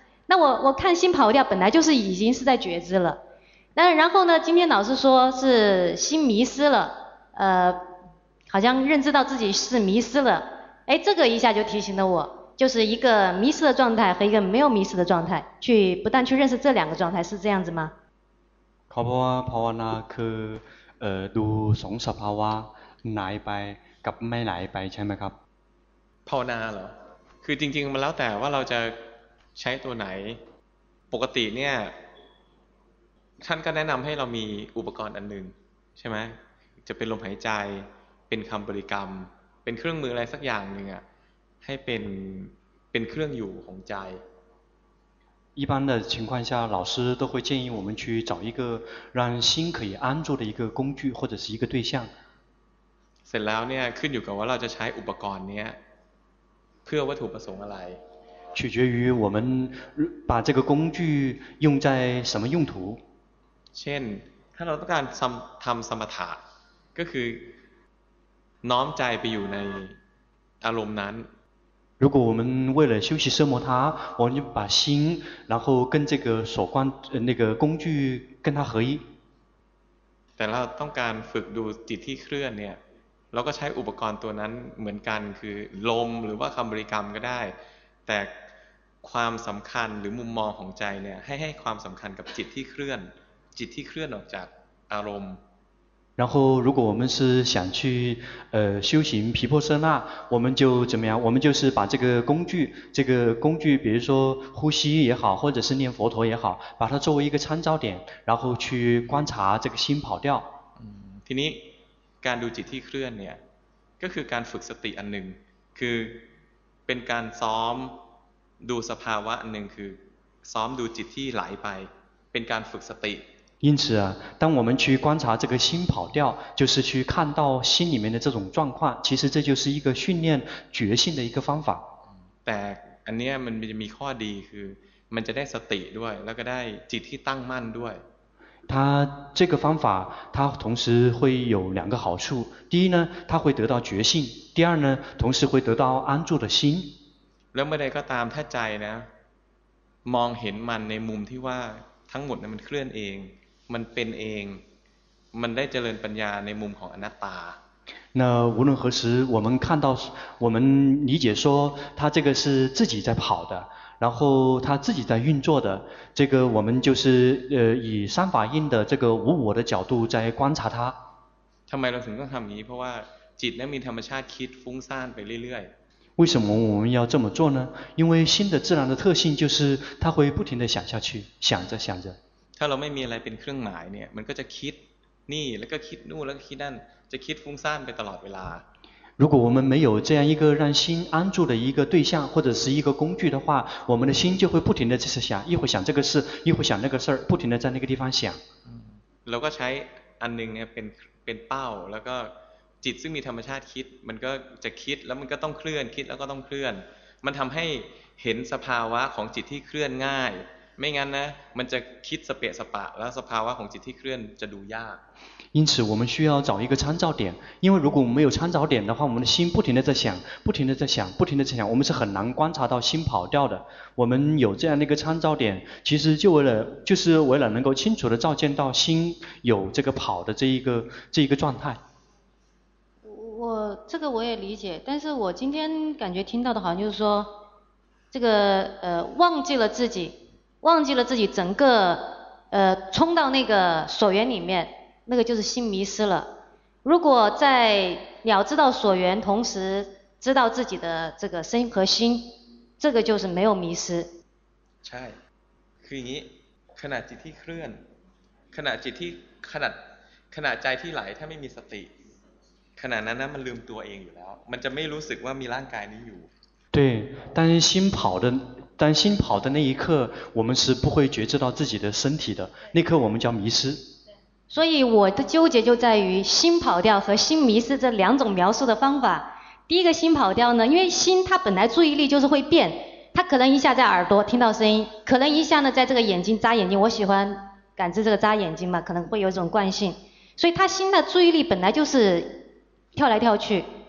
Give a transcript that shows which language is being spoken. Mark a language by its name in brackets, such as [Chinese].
[Chinese] 那我看心跑掉，本来就是已经是在觉知了。那然后呢？今天老师说是心迷失了，好像认知到自己是迷失了。哎，这个一下就提醒了我，就是一个迷失的状态和一个没有迷失的状态，去不断去认识这两个状态，是这样子吗？ [Thai] เพราะว่าภาวนาคือดูสองสภาวะหายไปกับไม่หายไปใช่ไหมครับ ภาวนาเหรอคือจริงๆมันแล้วแต่ว่าเราจะใช้ตัวไหนปกติเนี่ยท่านก็แนะนำให้เรามีอุปกรณ์อันหนึ่งใช่ไหมจะเป็นลมหายใจเป็นคำบริกรรมเป็นเครื่องมืออะไรสักอย่างนึงอ่ะให้เป็นเครื่องอยู่ของใจ [Chinese] 一般的情况下老师都会建议我们去找一个让心可以安住的一个工具或者是一个对象 [Thai] เสร็จแล้วเนี่ยขึ้นอยู่กับว่าเราจะใช้อุปกรณ์เนี้ยเพื่อวัตถุประสงค์อะไร [Chinese] 取决于我们把这个工具用在什么用途 [Thai] เช่นถ้าเราต้องการทำสมถะก็คือน้อมใจไปอยู่ในอารมณ์นั้น [Chinese] 如果我们为了休息奢摩他，我们就把心，然后跟这个所观那个工具跟它合一。 [Thai] แต่เราต้องการฝึกดูจิตที่เคลื่อนเนี่ยเราก็ใช้อุปกรณ์ตัวนั้นเหมือนกันคือลมหรือว่าคำบริกรรมก็ได้แต่ความสำคัญหรือมุมมองของใจเนี่ยให้ความสำคัญกับจิตที่เคลื่อนจิตที่เคลื่อนออกจากอารมณ์ [Chinese] 然后如果我们是想去修行毗婆舍那我们就怎么样我们就是把这个工具比如说呼吸也好或者是念佛陀也好把它作为一个参照点然后去观察这个心跑掉 [Thai] ทีนี้การดูจิตที่เคลื่อนเนี่ยก็คือการฝึกสติอันหนึ่งคือเป็นการซ้อมดูสภาวะอันหนึ่งคือซ้อมดูจิตที่ไหลไปเป็นการฝึกสติ [Chinese] 因此啊，当我们去观察这个心跑掉，就是去看到心里面的这种状况，其实这就是一个训练觉性的一个方法。 [Thai] แต่อันนี้มันจะมีข้อดีคือมันจะได้สติด้วยแล้วก็ได้จิตที่ตั้งมั่นด้วย。 [Chinese] 它这个方法，它同时会有两个好处。第一呢，它会得到觉性；第二呢，同时会得到安住的心。 [Thai] แล้วเมื่อใดก็ตามถ้าใจนะมองเห็นมันในมุมที่ว่าทั้งหมดนั้นมันเคลื่อนเองมันเป็นเองมันได้เจริญปัญญาในมุมของอนัตตา [Chinese] 那无论何时我们看到我们理解说它这个是自己在跑的然后它自己在运作的这个我们就是以三法印的这个无我的角度在观察它 [Thai] ทำไมเราถึงต้องทำอย่างนี้เพราะว่าจิตนั้นมีธรรมชาติคิดฟุ้งซ่านไปเรื่อย [Chinese] 为什么我们要这么做呢？因为心的自然的特性就是它会不停地想下去，想着想着。 [Thai] ถ้าเราไม่มีอะไรเป็นเครื่องหมายเนี่ย มันก็จะคิดนี่แล้วก็คิดนู่นแล้วก็คิดนั่น จะคิดฟุ้งซ่านไปตลอดเวลา。 [Chinese] 如果我们没有这样一个让心安住的一个对象或者是一个工具的话，我们的心就会不停地在想，一会想这个事，一会想那个事儿，不停地在那个地方想。 [Thai] เราก็ใช้อันนึงเนี่ยเป็นเป้าแล้วก็จิตซึ่งมีธรรมชาติคิดมันก็จะคิดแล้วมันก็ต้องเคลื่อนคิดแล้วก็ต้องเคลื่อนมันทำให้เห็นสภาวะของจิตที่เคลื่อนง่ายไม่งั้นนะมันจะคิดสเปะสปะแล้วสภาวะของจิตที่เคลื่อนจะดูยาก [Chinese] 因此我们需要找一个参照点因为如果我们没有参照点的话我们的心不停地在想不停地在想不停地在想我们是很难观察到心跑掉的我们有这样的一个参照点其实就是为了能够清楚地照见到心有这个跑的这一个状态我这个我也理解但是我今天感觉听到的好像就是说这个忘记了自己整个冲到那个所缘里面那个就是心迷失了如果在了知道所缘同时知道自己的这个身和心这个就是没有迷失 [Thai] ใช่คืออย่างนี้ขณะจิตที่เคลื่อนขณะใจที่ไหลถ้าไม่มีสติขณะนั้นนะมันลืมตัวเองอยู่แล้วมันจะไม่รู้สึกว่ามีร่างกายนี้อยู่ [Chinese] 对但心跑的但心跑的那一刻我们是不会觉知到自己的身体的那刻我们叫迷失所以我的纠结就在于心跑掉和心迷失这两种描述的方法。第一个心跑掉呢，因为心它本来注意力就是会变，它可能一下在耳朵听到声音，可能一下呢在这个眼睛扎眼睛，我喜欢感知这个扎眼睛嘛，可能会有一种惯性，所以它心的注意力本来就是跳来跳去。